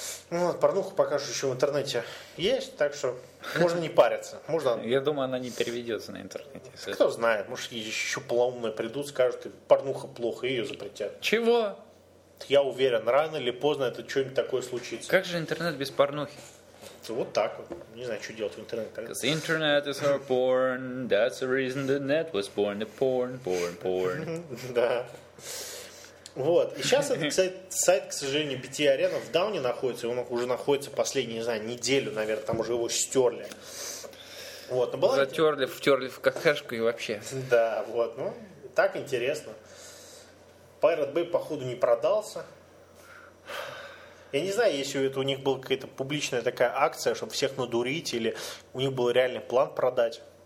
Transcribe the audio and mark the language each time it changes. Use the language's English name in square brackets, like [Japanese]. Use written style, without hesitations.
[Russian] Ну, порнуху пока что еще в интернете есть, так что можно не париться. Можно... Я думаю, она не переведется на интернете. Кто знает, может, еще полоумные придут, скажут, и порнуха плохо, и ее запретят. Чего? Я уверен, рано или поздно это что-нибудь такое случится. Как же интернет без порнухи? Вот так вот. Не знаю, что делать в интернете. [English] Because internet is our porn, that's the reason the net was born, the porn, porn, porn. [Russian] Да. Вот. И сейчас этот сайт, к сожалению, BT Arena в дауне находится. Он уже находится последнюю, не знаю, неделю, наверное, там уже его стерли. Вот. Затерли, втерли в кафешку и вообще. Да, вот. Ну, так интересно. Pirate Bay, походу, не продался. Я не знаю, если это у них была какая-то публичная такая акция, чтобы всех надурить, или у них был реальный план продать.